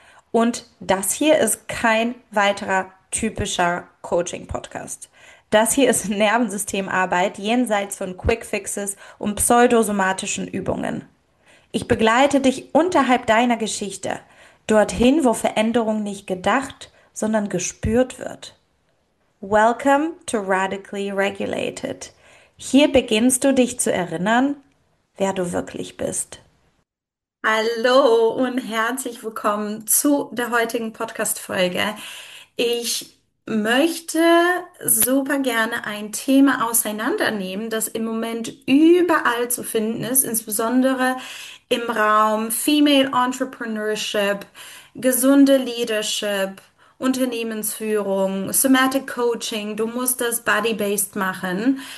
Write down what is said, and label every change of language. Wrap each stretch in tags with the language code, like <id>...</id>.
<de>Und das hier ist kein weiterer typischer Coaching-Podcast. Das hier ist Nervensystemarbeit jenseits von Quickfixes und pseudosomatischen Übungen. Ich begleite dich unterhalb deiner Geschichte, dorthin, wo Veränderung nicht gedacht, sondern gespürt wird.</de> <en>Welcome to Radically Regulated.</en> <de>Hier beginnst du dich zu erinnern, wer du wirklich bist. Hallo und herzlich willkommen zu der heutigen Podcast-Folge. Ich möchte super gerne ein Thema auseinandernehmen, das im Moment überall zu finden ist, insbesondere im Raum Female Entrepreneurship, gesunde Leadership, Unternehmensführung, Somatic Coaching, du musst das Body-based machen.</de>